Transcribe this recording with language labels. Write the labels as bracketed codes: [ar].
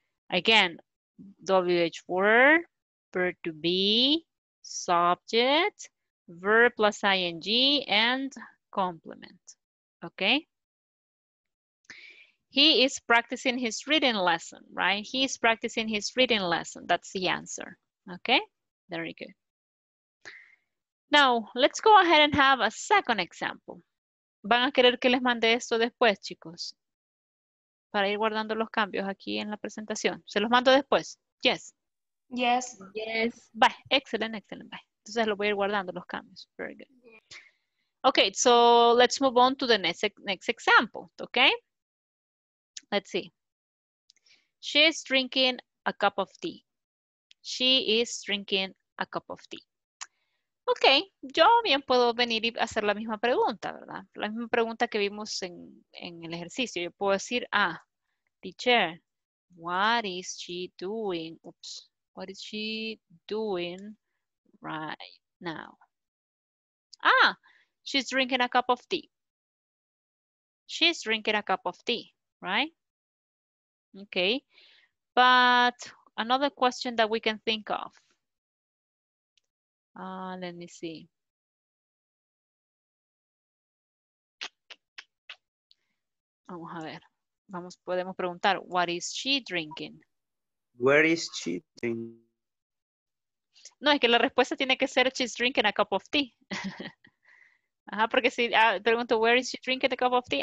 [en] Again, WH word, verb to be, subject, verb plus ing, and complement. Okay? He is practicing his reading lesson, right? He is practicing his reading lesson. That's the answer. Okay? Very good. Now, let's go ahead and have a second example. [es] ¿Van a querer que les mande esto después, chicos? Para ir guardando los cambios aquí en la presentación. ¿Se los mando después? Yes. [en] Yes. Yes. Bye. Excellent, excellent. Bye. [es] Entonces lo voy a ir guardando los cambios. [en] Very good. Okay, so let's move on to the next example, okay? Let's see. She is drinking a cup of tea. She is drinking a cup of tea. [es] Okay, yo bien puedo venir y hacer la misma pregunta, ¿verdad? La misma pregunta que vimos en el ejercicio. Yo puedo decir, [en] ah, teacher, what is she doing? Oops, what is she doing right now? Ah, she's drinking a cup of tea. She's drinking a cup of tea, right? Okay, but another question that we can think of. Let me see. [es] Vamos a ver. Vamos, podemos preguntar, [en] what is she drinking? Where is she drinking? [es] No, es que la respuesta tiene que ser [en] she's drinking a cup of tea. [es] Ajá, porque si pregunto, [en] where is she drinking the cup of tea?